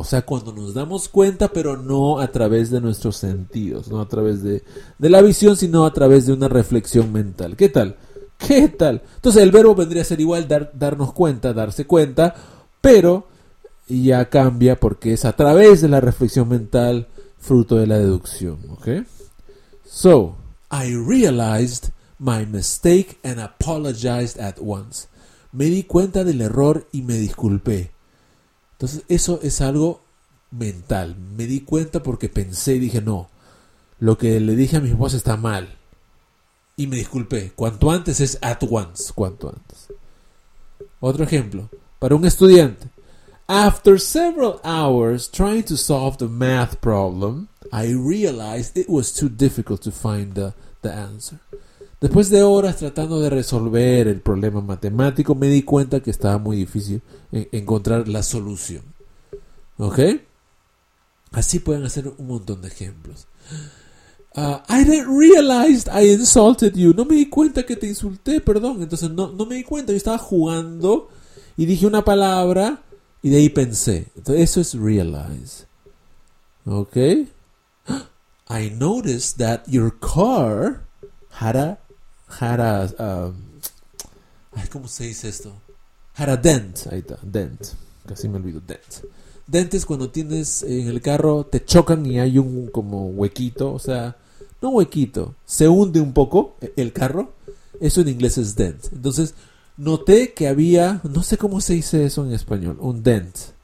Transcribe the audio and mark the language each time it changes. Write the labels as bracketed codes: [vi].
[es] O sea, cuando nos damos cuenta, pero no a través de nuestros sentidos, no a través de la visión, sino a través de una reflexión mental. ¿Qué tal? ¿Qué tal? Entonces, el verbo vendría a ser igual, darnos cuenta, darse cuenta, pero y ya cambia porque es a través de la reflexión mental fruto de la deducción, ¿ok? [en] So, I realized my mistake and apologized at once. [es] Me di cuenta del error y me disculpé. Entonces, eso es algo mental. Me di cuenta porque pensé y dije, no, lo que le dije a mi esposa está mal. Y me disculpé. Cuanto antes es at once, cuanto antes. Otro ejemplo, para un estudiante. [en] After several hours trying to solve the math problem, I realized it was too difficult to find the answer. [es] Después de horas tratando de resolver el problema matemático, me di cuenta que estaba muy difícil encontrar la solución. ¿Ok? Así pueden hacer un montón de ejemplos. [en] I didn't realize I insulted you. [es] No me di cuenta que te insulté, perdón. Entonces no me di cuenta. Yo estaba jugando y dije una palabra y de ahí pensé. Entonces, eso es realize. ¿Ok? [en] I noticed that your car had a dent. [es] Ahí está, dent. Casi me olvido, dent. Dent es cuando tienes en el carro, te chocan y hay un como huequito, o sea, no huequito, se hunde un poco el carro. Eso en inglés es dent. Entonces, noté que había, no sé cómo se dice eso en español, un dent.